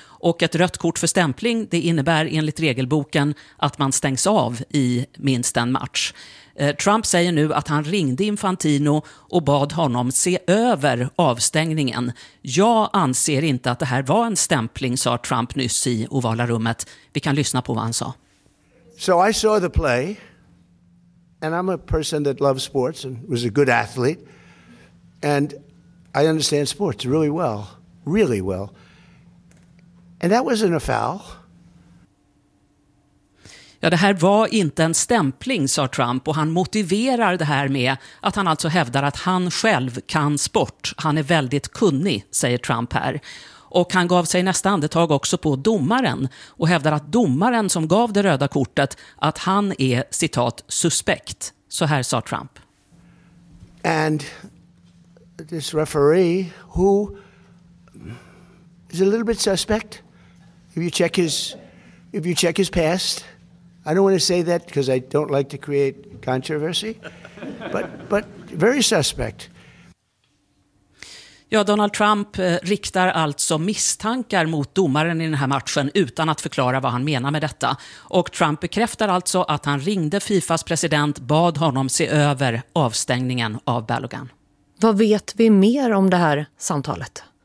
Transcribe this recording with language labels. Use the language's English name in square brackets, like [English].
[Swedish] Och ett rött kort för stämpling, det innebär enligt regelboken att man stängs av i minst en match. Trump säger nu att han ringde Infantino och bad honom se över avstängningen. Jag anser inte att det här var en stämpling, sa Trump nyss i ovala rummet. Vi kan lyssna på vad han sa. [English] So I saw the play and I'm a person that loves sports and was a good athlete and I understand sports really well, really well. And that wasn't a foul. [Swedish] Ja, det här var inte en stämpling, sa Trump, och han motiverar det här med att han alltså hävdar att han själv kan sport. Han är väldigt kunnig, säger Trump här. Och han gav sig nästa andetag också på domaren och hävdar att domaren som gav det röda kortet, att han är, citat, suspekt. Så här sa Trump. [English] And this referee who is a little bit suspect, if you check his past. I don't want to say that because I don't like to create controversy, but very suspect. [Swedish] Ja, Donald Trump riktar alltså misstankar mot domaren i den här matchen utan att förklara vad han menar med detta. Och Trump bekräftar alltså att han ringde FIFAs president, bad honom se över avstängningen av Balogun. Vad vet vi mer om det här samtalet?